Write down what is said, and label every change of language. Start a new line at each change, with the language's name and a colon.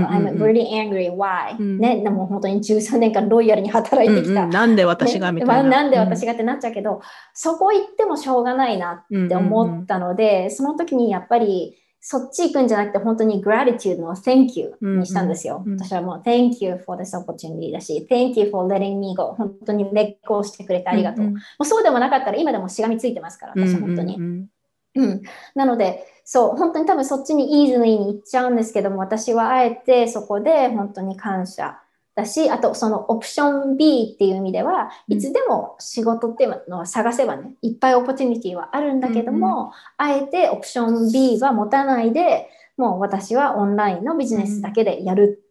English: I'm really angry, why?
Japanese: ね、でも本当に13年間ロイヤルに働いてきた。なんで私がね、みたいな。なんで私がってなっちゃうけど、そこ行ってもしょうがないなって思ったので、その時にやっぱり、そっち行くんじゃなくて、本当にグラティチュードの
English: Thank you
Japanese: にしたんですよ。私はもう
English: Thank you for this opportunity
Japanese: だし、
English: Thank you for letting me go。
Japanese: 本当に熱行してくれてありがとう。もうそうでもなかったら今でもしがみついてますから、私本当に。なので、そう、本当に多分そっちにイージーに行っちゃうんですけども、私はあえてそこで本当に感謝だし、あとそのオプション B っていう意味では、いつでも仕事っていうのは探せばね、いっぱいオプチュニティはあるんだけども、あえてオプション B は持たないで、もう私はオンラインのビジネスだけでやる